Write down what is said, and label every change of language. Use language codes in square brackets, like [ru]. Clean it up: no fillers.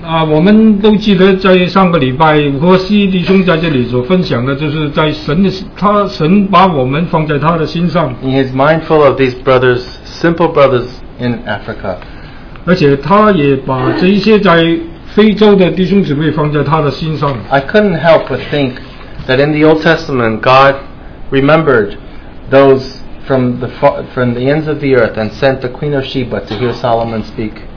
[zh] 我们都记得在上个礼拜，何西弟兄在这里所分享的，就是在神把我们放在他的心上。 [en] He is mindful of these brothers, simple brothers in Africa. [zh] 而且他也把这一些在非洲的弟兄姊妹放在他的心上。 [en] I couldn't help but think that in the Old Testament, God remembered those from the ends of the earth and sent the Queen of Sheba to hear Solomon speak.